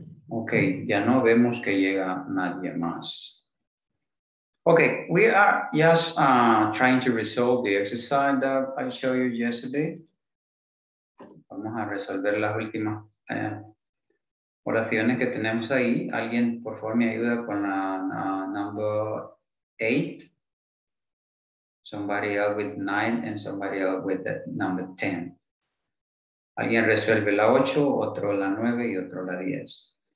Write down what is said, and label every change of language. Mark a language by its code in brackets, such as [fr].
[es] Okay, ya no vemos que llega nadie más. [en] Okay, we are just trying to resolve the exercise that I showed you yesterday. [es] Vamos a resolver las últimas oraciones que tenemos ahí. Alguien, por favor, me ayuda con la number 8. [en] Somebody else with 9 and somebody else with the number 10. [es] Alguien resuelve la 8, otro la 9 y otro la 10.